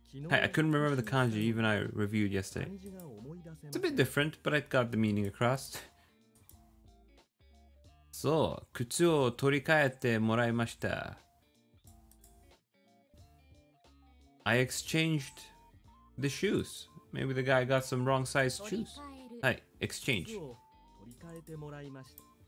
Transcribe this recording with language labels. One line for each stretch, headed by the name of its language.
English: I couldn't remember the kanji even I reviewed yesterday. It's a bit different, but I got the meaning across.
Japanese: So, 靴を取り替えてもらいました。
English: I exchanged the shoes. Maybe the guy got some wrong size shoes. Hi, exchange.
Japanese: 取り替えてもらいました。